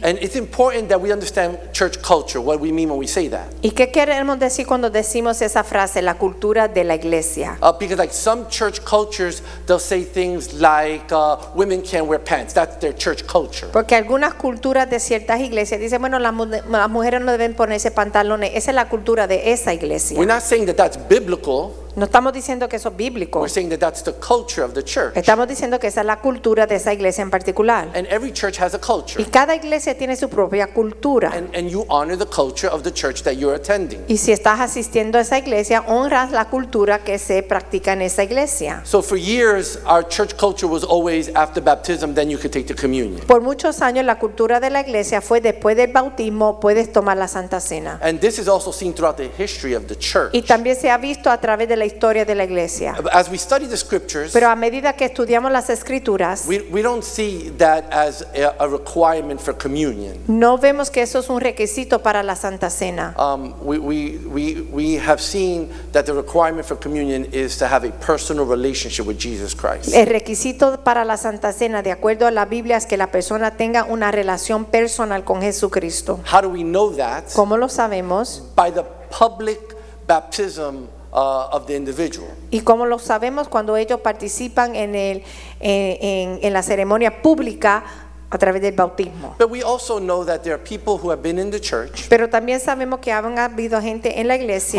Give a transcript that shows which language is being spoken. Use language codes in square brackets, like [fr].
[en] and it's important that we understand church culture, what we mean when we say that. [es] ¿Y qué queremos decir cuando decimos esa frase, la cultura de la iglesia? [en] Because like some church cultures, they'll say things like women can't wear pants. That's their church culture. [es] Porque algunas culturas de ciertas iglesias dicen, bueno, las mujeres no deben ponerse pantalones. Esa es la cultura de esa iglesia. [en] We're not saying that that's biblical. [es] No estamos diciendo que eso es bíblico. [en] We're saying that that's the culture of the church. [es] Estamos diciendo que esa es la cultura de esa iglesia en particular. [en] And every church has a culture. [es] Y cada iglesia tiene su propia cultura. [en] And you honor the culture of the church that you're attending. [es] Y si estás asistiendo a esa iglesia, honras la cultura que se practica en esa iglesia. [en] So for years, our church culture was always after baptism, then you could take the communion. [es] Por muchos años, la cultura de la iglesia fue después del bautismo, puedes tomar la Santa Cena. [en] And this is also seen throughout the history of the church. [es] Y también se ha visto a través de la historia de la iglesia. [en] As we study the scriptures, [es] pero a medida que estudiamos las escrituras, [en] we don't see that as a requirement for communion. [es] No vemos que eso es un requisito para la Santa Cena. [en] We have seen that the requirement for communion is to have a personal relationship with Jesus Christ. [es] El requisito para la Santa Cena, de acuerdo a la Biblia, es que la persona tenga una relación personal con Jesucristo. [en] How do we know that? [es] ¿Cómo lo sabemos? [en] By the public baptism of the individual. [es] ¿Y cómo lo sabemos? Cuando ellos participan en la ceremonia pública a través del bautismo. [en] But we also know that there are people who have been in the church. [es] Pero también sabemos que han habido gente en la iglesia